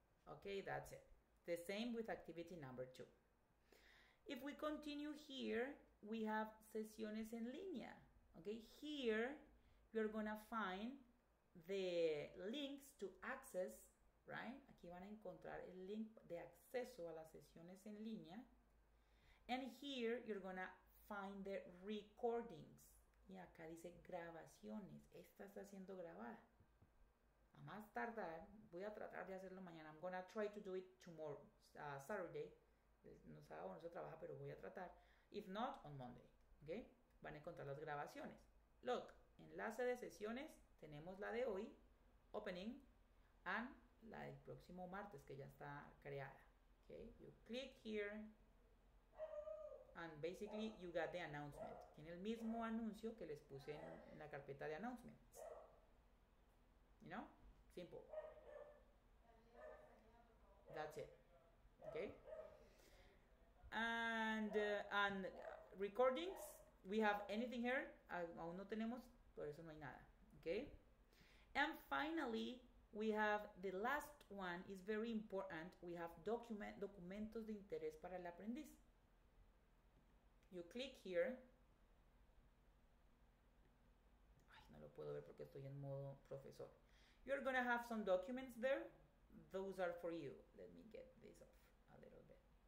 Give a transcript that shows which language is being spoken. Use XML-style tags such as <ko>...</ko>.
<en>Okay, that's it. The same with activity number 2. If we continue here, we have sesiones en línea. Okay, here you're gonna find the links to access, right?</en> <es>Aquí van a encontrar el link de acceso a las sesiones en línea.</es> <en>And here you're gonna find the recordings.</en> <es>Y acá dice grabaciones. Esta está siendo grabada. A más tardar, voy a tratar de hacerlo mañana.</es> <en>I'm gonna try to do it tomorrow, Saturday.</en> <es>No sé, no se trabaja, pero voy a tratar.</es> <en>If not, on Monday. Okay?</en> <es>Van a encontrar las grabaciones. Look, enlace de sesiones. Tenemos la de hoy, opening, and la del próximo martes, que ya está creada. Okay?</es> <en>You click here, and basically you got the announcement.</en> <es>Tiene el mismo anuncio que les puse en la carpeta de announcements.</es> <en>You know? Simple. That's it. Okay? And recordings, we have anything here?</en> <es>Aún no tenemos, por eso no hay nada.</es> <en>Okay? And finally, we have the last one, is very important. We have documentos de interés para el aprendiz. You click here.</en> <es>Ay, no lo puedo ver porque estoy en modo profesor.</es> <en>You're going to have some documents there. Those are for you. Let me get this off a little bit.</en>